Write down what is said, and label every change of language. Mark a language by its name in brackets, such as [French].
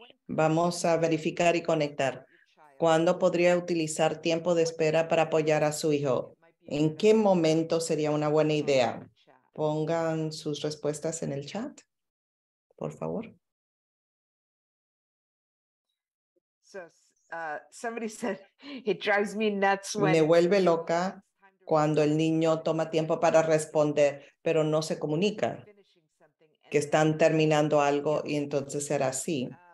[Spanish] Vamos a verificar y conectar. ¿Cuándo podría utilizar tiempo de espera para apoyar a su hijo? ¿En qué momento sería una buena idea? Pongan sus respuestas en el chat. por favor. [English] So, somebody said it drives me nuts when. [Spanish] Me vuelve loca cuando el niño toma tiempo para responder, pero no se comunica. Que están terminando algo y entonces será así.